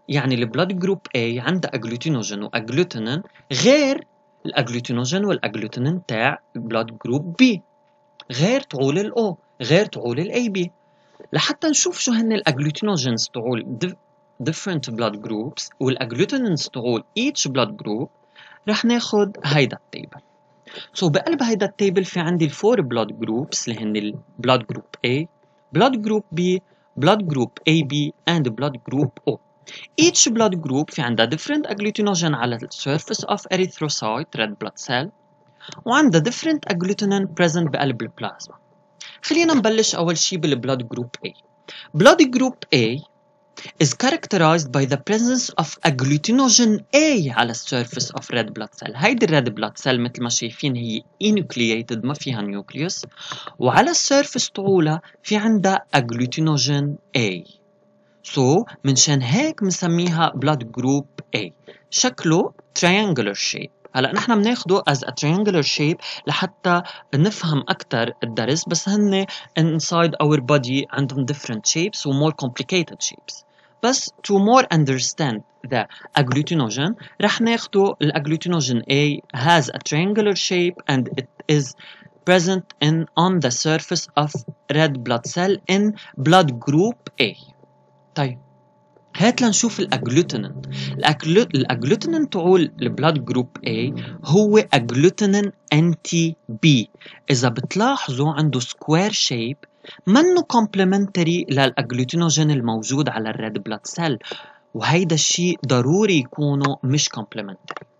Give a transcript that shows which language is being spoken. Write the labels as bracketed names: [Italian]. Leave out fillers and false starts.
[Arabic] يعني ال [English] blood group A [Arabic] عنده agglutinogen وagglutinin غير الagglutinogen والagglutinin تاع [English] blood group B, [Arabic] غير طول الO, غير طول الAB. لحتى نشوف شو هن الأجلوتينوجينز تقول [English] different blood groups [Arabic] والأجلوتينينز تقول [English] each blood group [Arabic] رح ناخد هيدا التابل. [English] So [Arabic] بقلب هيدا التابل في عندي [English] four blood groups [Arabic] اللي هن [English] blood group A, blood group B, blood group AB and blood group O. Each blood group [Arabic] في عندها [English] different agglutinogen على the surface of erythrocyte red blood cell [Arabic] وعندها [English] different agglutinin present [Arabic] بقلب البلازما. خلينا نبلش أول شيء بالبلود جروب A. [English] Blood group A is characterized by the presence of agglutinogen A على surface of red blood cell. [Arabic] هيدي [English] red blood cell [Arabic] مثل ما شايفين هي enucleated ما فيها nucleus وعلى surface طولة في عندها agglutinogen A. [English] So [Arabic] منشان هيك مسميها [English] blood group A. شكله triangular shape. [Arabic] هلا نحن بناخده [English] as a triangular shape [Arabic] لحتى نفهم أكثر الدرس, بس هن [English] inside our body عندهم different shapes و more complicated shapes. بس to more understand the agglutinogen [Arabic] رح ناخده ال [English] agglutinogen A has a triangular shape and it is present in on the surface of red blood cell in blood group A. [Arabic] طيب هات لنشوف الأجلوتينين. الأجلوتينين تقول البلاد جروب A هو أجلوتينين أنتي B. إذا بتلاحظوا عنده [English] square shape [Arabic] منه كومبليمنتري للأجلوتينوجين الموجود على الريد بلاد سيل, وهيدا الشيء ضروري يكونوا مش كومبليمنتري.